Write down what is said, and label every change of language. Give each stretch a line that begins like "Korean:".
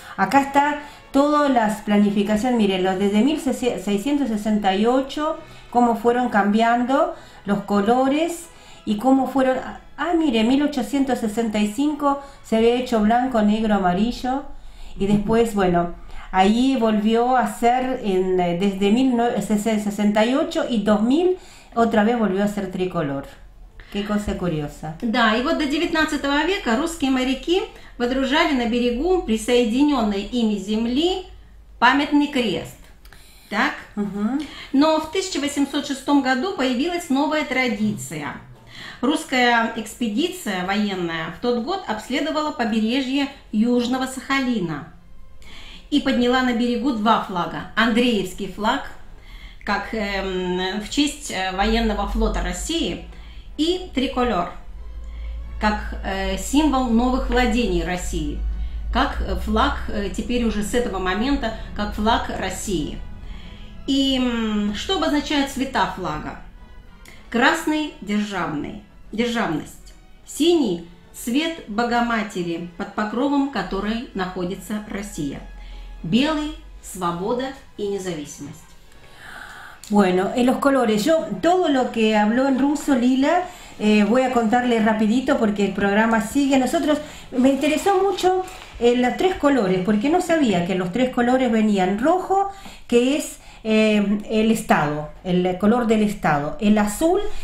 Spanish: Acá está todas las planificaciones, mire, los desde 1668, cómo fueron cambiando los colores y cómo fueron... Ah, mire, 1865 se había hecho blanco, negro, amarillo y después, bueno, ahí volvió a ser desde 1668 y 2000 otra vez volvió a ser tricolor. Qué cosa curiosa.
Russian: Да, и вот до 19 века русские моряки водружали на берегу присоединенной ими земли памятный крест. Так? Uh-huh. Но в 1806 году появилась новая традиция. Русская экспедиция военная в тот год обследовала побережье Южного Сахалина и подняла на берегу два флага. Андреевский флаг, как в честь военного флота России, и триколор, как символ новых владений России, как флаг теперь уже с этого момента, как флаг России. И что обозначают цвета флага? Красный – державный, державность. Синий – цвет Богоматери, под покровом которой находится Россия. Белый – свобода и независимость.
Spanish: Bueno, en los colores. Yo, todo lo que habló en ruso, Lila... voy a contarle rapidito porque el programa sigue. Nosotros me interesó mucho los tres colores, porque no sabía que los tres colores venían rojo, que es el Estado, el color del Estado, el azul,